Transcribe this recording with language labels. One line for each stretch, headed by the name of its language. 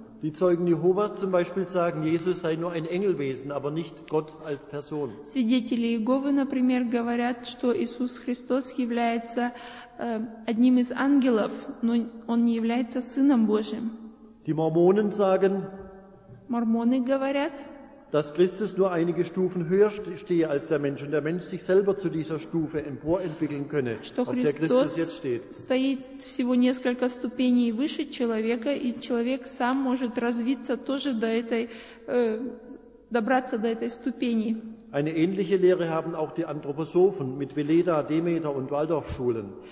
German: Die Zeugen Jehovas zum Beispiel sagen, Jesus sei nur ein Engelwesen, aber nicht Gott als Person.
Russian: Свидетели Иеговы, например, говорят, что Иисус Христос является одним из ангелов, но он не является Сыном Божьим.
German: Die Mormonen sagen.
Russian: Мормоны говорят.
German: Dass Christus nur einige Stufen höher stehe als der Mensch und der Mensch sich selber zu dieser Stufe emporentwickeln könne, auf der Christus jetzt steht.
Russian: Стоит всего несколько ступеней выше человека, и человек сам может развиться тоже до этой, добраться до этой ступени.
German: Eine ähnliche Lehre haben auch die Anthroposophen mit Veleda, Demeter und Waldorfschulen.